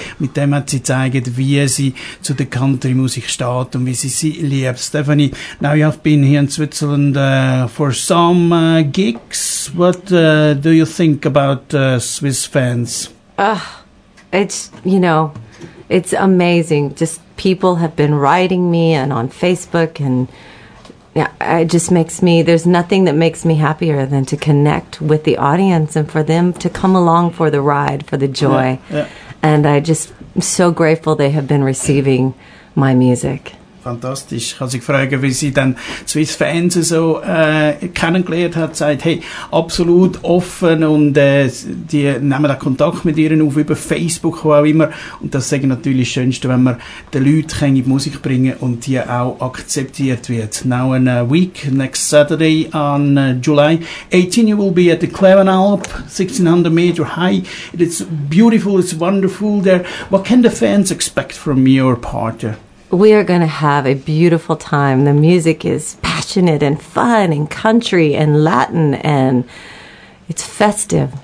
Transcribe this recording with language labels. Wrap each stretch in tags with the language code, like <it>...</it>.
<de>Mit dem hat sie gezeigt, wie sie zu der Country-Musik steht und wie sie liebt.</de> <en>Stephanie, now you have been here in Switzerland for some gigs. What do you think about Swiss fans? It's amazing. Just people have been writing me and on Facebook, and it just makes me, there's nothing that makes me happier than to connect with the audience and for them to come along for the ride, for the joy. And I just am so grateful they have been receiving my music.</en> <de>Fantastisch. Ich kann sich fragen, wie sie dann</de> <en>Swiss Fans</en> <de>so kennengelernt hat, sagt, hey, absolut offen und die nehmen da Kontakt mit ihnen auf, über Facebook und auch immer. Und das ist natürlich das Schönste, wenn man den Leuten in die Musik bringen kann und die auch akzeptiert wird.</de> <en>Now in a week, next Saturday on July 18, you will be at the Klevenalp, 1600 meter high. It's beautiful, it's wonderful there. What can the fans expect from your partner? We are going to have a beautiful time. The music is passionate and fun and country and Latin, and it's festive.</en>